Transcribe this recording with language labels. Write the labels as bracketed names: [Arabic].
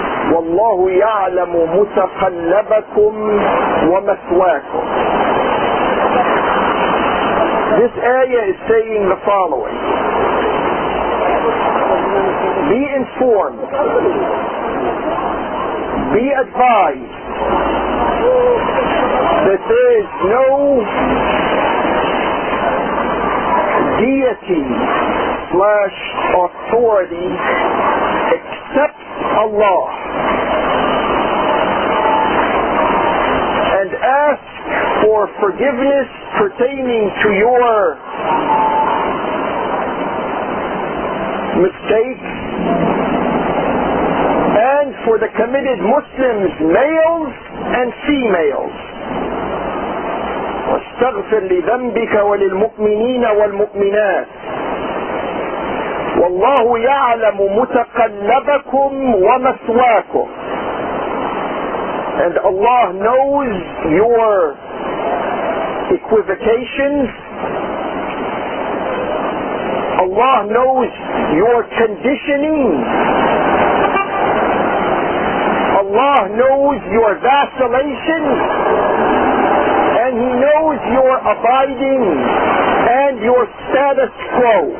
[Arabic] والله يعلم متقلبكم ومثواكم. [English] This ayah is saying the following. Be informed. Be advised that there is no deity / authority except Allah. And ask for forgiveness pertaining to your mistakes, and for the committed Muslims, males and females. [Arabic] واستغفر لذنبك وللمؤمنين والمؤمنات والله يعلم متقلبكم ومثواكم. [English] And Allah knows your equivocations. Allah knows your conditioning. Allah knows your vacillation. And He knows your abiding and your status quo.